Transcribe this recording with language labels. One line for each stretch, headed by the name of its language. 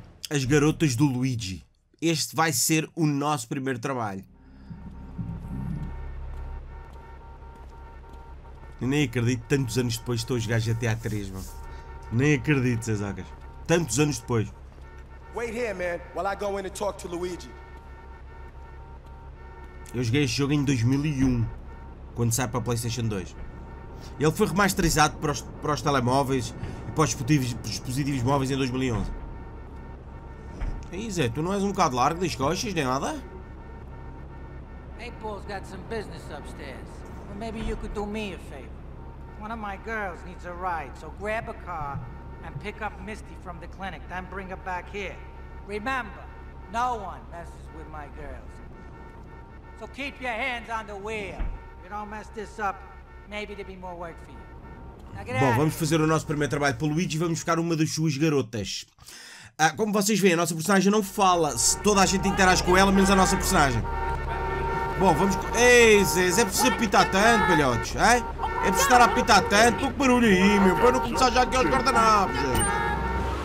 Portuguese: As garotas do Luigi. Este vai ser o nosso primeiro trabalho. Eu nem acredito, tantos anos depois estou a jogar GTA 3, mano. Nem acredito, Zezacas. Tantos anos depois.
English: Wait here, man, while I go in and talk to Luigi.
Portuguese: Eu joguei este jogo em 2001, quando sai para a PlayStation 2. Ele foi remasterizado para os telemóveis e para os dispositivos móveis em 2011. Zé, tu não és um bocado largo das coxas, nem nada?
English: Apple's got some business upstairs. Well, maybe you could do me a favor. One of my girls needs a ride, so grab a car and pick up Misty from the clinic, then bring her back here. Remember, no one messes with my girls. So keep your hands on the wheel. If you don't mess this up, maybe there'll be more work for you.
Portuguese: Bom, vamos fazer o nosso primeiro trabalho para o Luigi e vamos buscar uma das suas garotas. Ah, como vocês veem, a nossa personagem não fala. Se toda a gente interage com ela, menos a nossa personagem. Bom, vamos... Ei, Zé, é preciso apitar tanto, palhotes, hein? É de estar a apitar tanto, pouco barulho aí, meu, para não começar já aqui aos guardanapos, é.